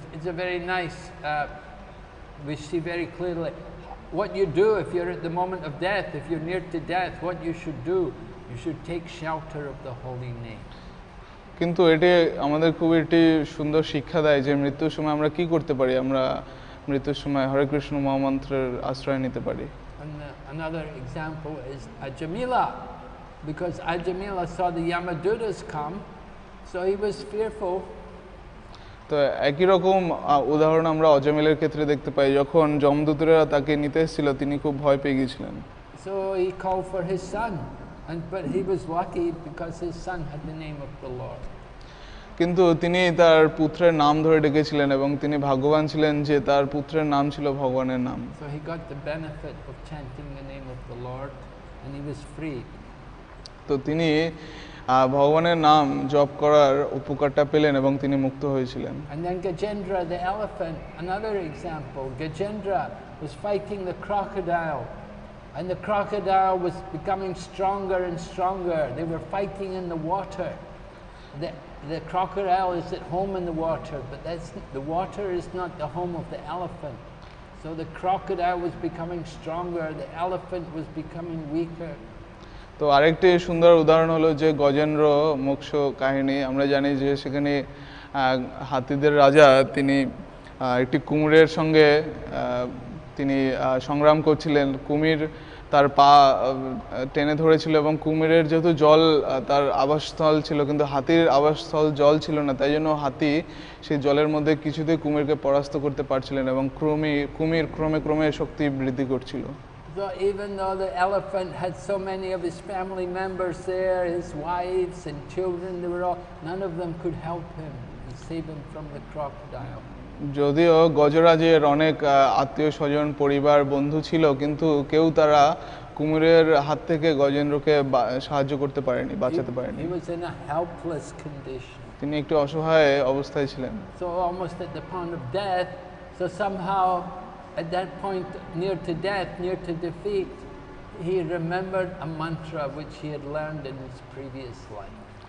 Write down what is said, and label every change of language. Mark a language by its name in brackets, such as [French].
[English] It's a very nice, we see very clearly what you do if you're at the moment of death, if you're near to death, what you should do, you should take shelter of the holy name. [Bangla] কিন্তু এটি আমাদের খুব একটি সুন্দর শিক্ষা দেয় যে মৃত্যুর সময় আমরা কি করতে পারি, আমরা মৃত্যুর সময় হরে কৃষ্ণ মহামন্ত্রের আশ্রয় নিতে পারি। [English] Another example is Ajamila, because Ajamila saw the Yamadutas come, so he was fearful. [Bangla] তো একই রকম উদাহরণ আমরা অজামিলের ক্ষেত্রে দেখতে পাই, যখন যমদূতরা তাকে নিতে এসেছিল তিনি খুব ভয় পেয়ে গিয়েছিলেন। [English] So he called for his son, and but he was lucky because his son had the name of the Lord. [Bangla] কিন্তু তিনি তার পুত্রের নাম ধরে ডেকেছিলেন এবং তিনি ভাগ্যবান ছিলেন যে তার পুত্রের নাম ছিল ভগবানের নাম। [English] So he got the benefit of chanting the name of the Lord and he was free. [Bangla] তো তিনি ভগবানের নাম জপ করার উপকারটা পেলেন এবং তিনি মুক্ত হয়েছিলেন। [English] And then Gajendra the elephant, another example. Gajendra was fighting the crocodile and the crocodile was becoming stronger and stronger. They were fighting in the water. The crocodile is at home in the water, but the water is not the home of the elephant. So the crocodile was becoming stronger, the elephant was becoming weaker. [Bangla] তো আরেকটি সুন্দর উদাহরণ হলো যে গজেন্দ্র মোক্ষ কাহিনী। আমরা জানি যে সেখানে হাতিদের রাজা তিনি একটি কুমিরের সঙ্গে তিনি সংগ্রাম করছিলেন, কুমির তার পা টেনে ধরেছিল এবং কুমিরের যেহেতু জল তার আবাসস্থল ছিল কিন্তু হাতির আবাসস্থল জল ছিল না, তাই জন্য হাতি সেই জলের মধ্যে কিছুতেই কুমিরকে পরাস্ত করতে পারছিলেন এবং কুমির ক্রমে ক্রমে শক্তি বৃদ্ধি করছিল। [English] So even though the elephant had so many of his family members there, his wives and children, they were all, none of them could help him and save him from the crocodile. [Bangla] যদিও গজরাজের অনেক আত্মীয় স্বজন পরিবার বন্ধু ছিল কিন্তু কেউ তারা কুমিরের হাত থেকে গজেন্দ্রকে সাহায্য করতে পারেনি, বাঁচাতে পারেনি। [English] He was in a helpless condition. [Bangla] তিনি একটি অসহায় অবস্থায় ছিলেন। [English] So almost at the point of death, so somehow at that point near to death, near to defeat, he remembered a mantra which he had learned in his previous life.